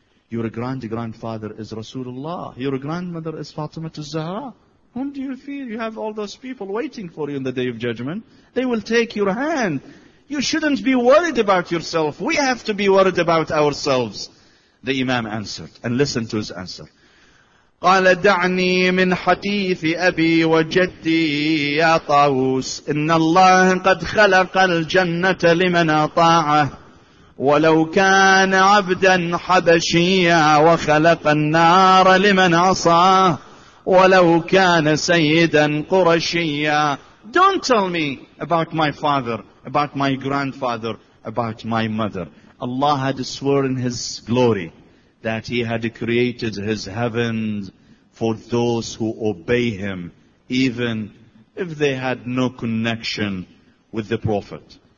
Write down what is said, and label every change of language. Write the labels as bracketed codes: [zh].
[en] Your grandfather is Rasulullah. Your grandmother is Fatima al-Zahra. Whom do you fear? You have all those people waiting for you in the Day of Judgment. They will take your hand. You shouldn't be worried about yourself. We have to be worried about ourselves. The Imam answered. And listen to his answer. [ar] قال دعني من حديث أبي وجدي يا طاووس إن الله قد خلق الجنة لمن أطاعه ولو كان عبدا حبشيا وخلق النار لمن عصاه ولو كان سيدا قرشيا. [en] Don't tell me about my father, about my grandfather, about my mother. Allah had sworn His glory that He had created His heavens for those who obey Him, even if they had no connection with the Prophet.